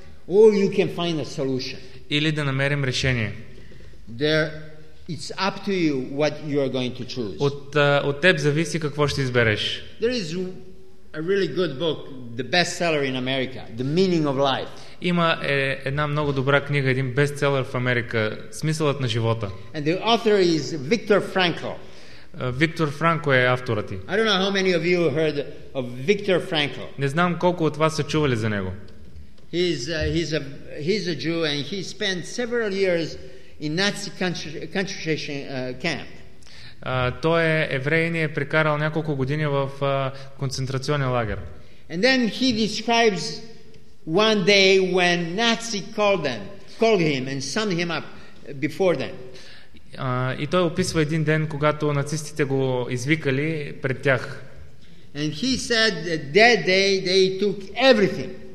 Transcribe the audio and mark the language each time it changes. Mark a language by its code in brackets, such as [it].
[en] Or you can find a solution. [bg] Или да намерим решение. [en] There, it's up to you what you are going to choose. [bg] От теб зависи какво ще избереш. [en] There is a really good book, the bestseller in America, The Meaning of Life. [bg] Има една много добра книга, един бестселър в Америка, Смисълът на живота. [en] And the author is Viktor Frankl. [bg] Виктор Франко е авторът. [en] I don't know how many of you heard of Viktor Frankl. [bg] Не знам колко от вас са чували за него. [en] He's a Jew and he spent several years in Nazi concentration camp. [bg] Той е евреин и е прекарал няколко години в концентрационен лагер. [en] And then he describes one day when Nazi called him and summed him up before them. [bg] И той описва един ден, когато нацистите го извикали пред тях. [en] And he said that day they took everything.